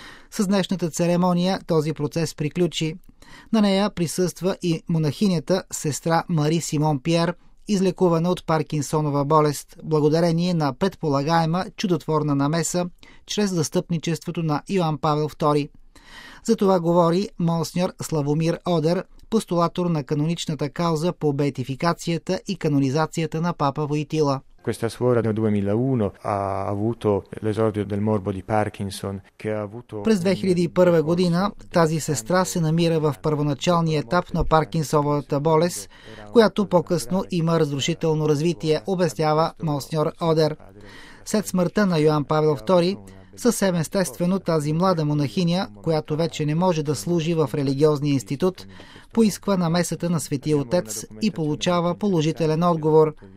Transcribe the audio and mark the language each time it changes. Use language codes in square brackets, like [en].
[bg] С днешната церемония този процес приключи. На нея присъства и монахинята сестра Мари Симон Пиер, излекувана от Паркинсонова болест, благодарение на предполагаема чудотворна намеса чрез застъпничеството на Йоан Павел II. За това говори монсеньор Славомир Одер, постулатор на каноничната кауза по беатификацията и канонизацията на папа Войтила. [it] Questa suora nel 2001 ha avuto l'esordio del morbo di Parkinson, che ha avuto. [bg] През 2001 година тази сестра се намира в първоначалния етап на Паркинсоновата болест, която по-късно има разрушително развитие, обяснява монсеньор Одер. След смъртта на Йоан Павел II, съвсем естествено тази млада монахиня, която вече не може да служи в религиозния институт, поисква намесата на Светия Отец и получава положителен отговор.